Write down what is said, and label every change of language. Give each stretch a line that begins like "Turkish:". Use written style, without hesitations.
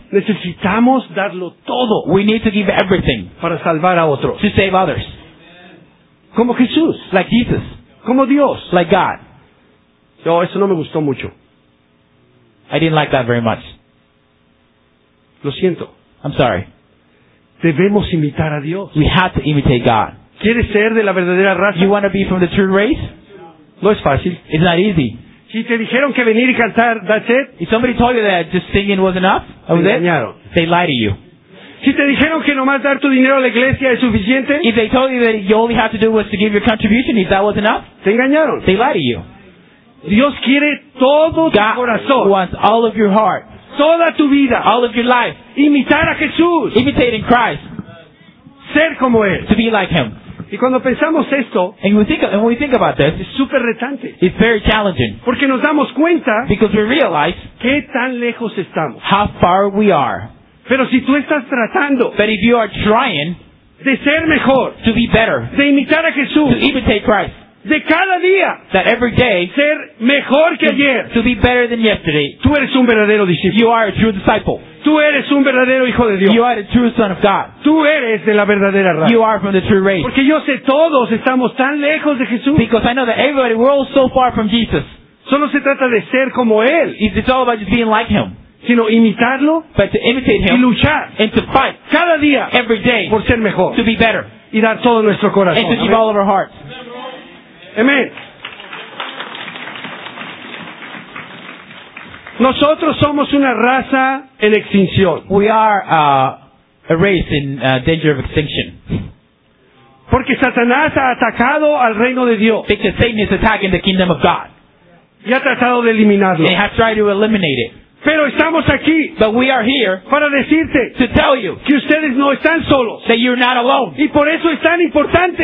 Spanish: Necesitamos darlo todo.
English: We need to give everything.
Spanish: Para salvar a otros.
English: To save others.
Spanish: Como Jesús.
English: Like Jesus.
Spanish: Como Dios.
English: Like God.
Spanish: No, eso no me gustó mucho.
English: I didn't like that very much.
Spanish: Lo siento.
English: I'm sorry.
Spanish: Debemos imitar a Dios.
English: We have to imitate God.
Spanish: ¿Quieres ser de la verdadera raza?
English: You want to be from the true race?
Spanish: No es fácil.
English: It's not easy.
Spanish: Si te dijeron que venir y cantar,
English: that's it. If somebody told you that just singing was enough, that was
Spanish: te engañaron.
English: It, they lied to you.
Spanish: Si te dijeron que nomás dar tu dinero a la iglesia es suficiente,
English: if they told you that you only have to do was to give your contribution, if that was enough,
Spanish: te engañaron.
English: They lied to you.
Spanish: Dios quiere todo
English: God
Spanish: tu corazón.
English: Wants all of your heart.
Spanish: Toda tu vida,
English: all of your life,
Spanish: imitar a Jesús,
English: imitating Christ,
Spanish: ser como él,
English: to be like him.
Spanish: Y cuando pensamos esto,
English: and we think about this,
Spanish: es super retante,
English: it's very challenging,
Spanish: porque nos damos cuenta,
English: because we realize,
Spanish: qué tan lejos estamos,
English: how far we are,
Spanish: Pero si tú estás tratando,
English: but if you are trying,
Spanish: de ser mejor,
English: to be better,
Spanish: de imitar a Jesús,
English: to imitate Christ,
Spanish: de cada día,
English: that every day,
Spanish: ser mejor que ayer,
English: to be better than yesterday,
Spanish: tú eres un verdadero discípulo.
English: You are a true disciple.
Spanish: Tú eres un verdadero hijo de Dios.
English: You are the true son of God.
Spanish: Tú eres de la verdadera raza.
English: You are from the true race.
Spanish: Porque yo sé todos estamos tan lejos de Jesús.
English: Because I know that everybody, we're all so far from Jesus.
Spanish: Solo se trata de ser como Él.
English: It's all about just being like Him.
Spanish: Sino imitarlo.
English: But to imitate Him.
Spanish: Y luchar.
English: And to fight.
Spanish: Cada día.
English: Every day.
Spanish: Por ser mejor.
English: To be better.
Spanish: Y dar todo nuestro corazón.
English: And to give all of our hearts. Amen.
Spanish: Nosotros somos una raza en extinción.
English: We are a race in danger of extinction.
Spanish: Porque Satanás ha atacado al reino de Dios.
English: Because Satan is attacking the kingdom of God.
Spanish: Y ha tratado de eliminarlo.
English: And has tried to eliminate it.
Spanish: Pero estamos aquí.
English: But we are here.
Spanish: Para decirte.
English: To tell you.
Spanish: Que ustedes no están solos.
English: That you're not alone.
Spanish: Y por eso es tan importante.